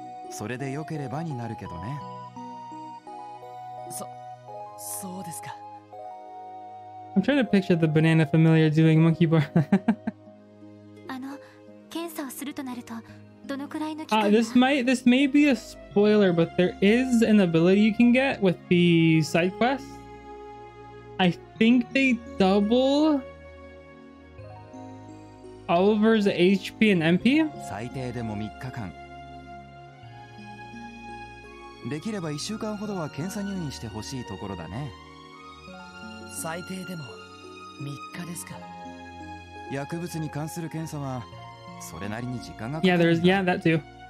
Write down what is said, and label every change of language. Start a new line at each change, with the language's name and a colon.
Japanese: それでよければになるけどね。そうですか。
English: I'm trying to picture the banana familiar doing monkey bar.
Japanese: あの、検査をするとなるとどのくらいの期間が。
English: This may be a spoiler, but there is an ability you can get with the side quest. I think they double Oliver's HP and MP?
Japanese: 最低でも3日間。できれば1週間ほどは検査入院してほしいところだね。最低でも3日ですか。薬物に関する検査はそれなりに時間がかかる。
English: Yeah, that too.